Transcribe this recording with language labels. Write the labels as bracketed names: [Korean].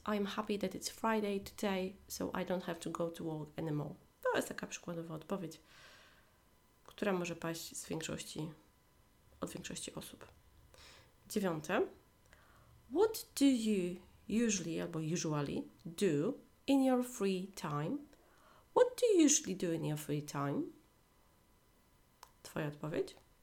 [English] I'm happy that it's Friday today, so I don't have to go to work anymore. [Polish] To jest taka przykładowa odpowiedź, która może paść z większości, od większości osób. Dziewiąte. [English] What do you usually, albo usually, do in your free time? What do you usually do in your free time? [Polish] Twoja odpowiedź.